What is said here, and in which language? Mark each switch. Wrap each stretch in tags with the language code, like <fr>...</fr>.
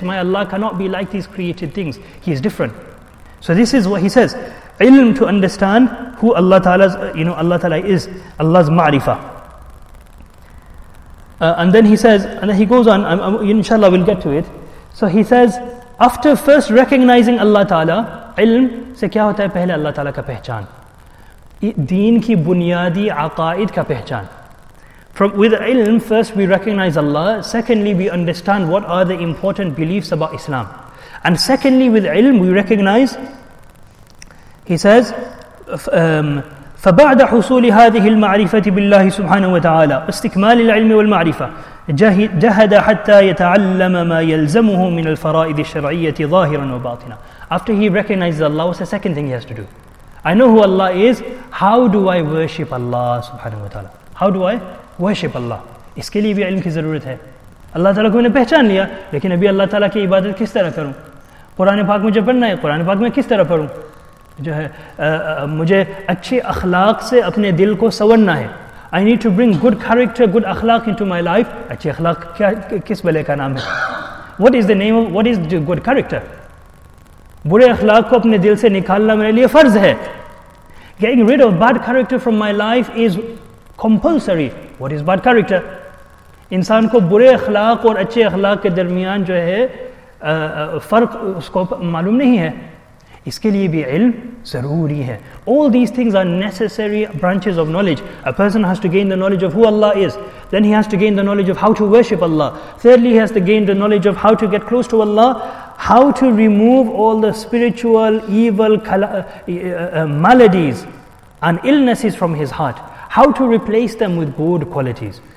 <en>My Allah cannot be like these created things. He is different. So this is what he says. Ilm, to understand who Allah Ta'ala's, you know, Allah Ta'ala is, Allah's ma'rifah. And then he says, and then he goes on, inshallah we'll get to it. So he says, after first recognizing Allah Ta'ala,</en> <ur>علم سے کیا ہوتا ہے؟ پہلے اللہ تعالیٰ کا پہچان, دین کی بنیادی عقائد کا پہچان.</ur> <en>From with علم, first we recognize Allah, secondly we understand what are the important beliefs about Islam. And secondly with علم we recognize, he says,</en> <ar>فبعد حصول هذه المعرفة بالله سبحانه وتعالى استكمال العلم والمعرفة جهد حتى يتعلم ما يلزمه من الفرائض الشرعية ظاهرا وباطنا.</ar> <en>After he recognizes Allah, what's the second thing he has to do? I know who Allah is, how do I worship Allah subhanahu wa ta'ala? How do I worship Allah?</en> <ur>اس کے لئے بھی علم کی ضرورت ہے. اللہ تعالیٰ کو میں نے پہچان لیا, لیکن ابھی اللہ تعالیٰ کی عبادت کس طرح کروں؟ قرآن پاک مجھے پڑھنا ہے, قرآن پاک میں کس طرح پڑھوں؟ جو ہے مجھے اچھے اخلاق سے اپنے دل کو سنورنا ہے.</ur> <en>I need to bring good character, good اخلاق into my life.</en> <ur>اچھے اخلاق کیا, کس بلے کا نام ہے؟</ur> <en>What is the name of, what is the good character?</en> <ur>برے اخلاق کو اپنے دل سے نکالنا میرے لیے فرض ہے.</ur> <en>Getting rid of bad character from my life is compulsory. What is bad character?</en> <ur>انسان کو برے اخلاق اور اچھے اخلاق کے درمیان جو ہے فرق اس کو معلوم نہیں ہے. اس کے لیے بھی علم ضروری ہے.</ur> <en>All these things are necessary branches of knowledge. A person has to gain the knowledge of who Allah is. Then he has to gain the knowledge of how to worship Allah. Thirdly, he has to gain the knowledge of how to get close to Allah, how to remove all the spiritual evil maladies and illnesses from his heart, how to replace them with good qualities.</en>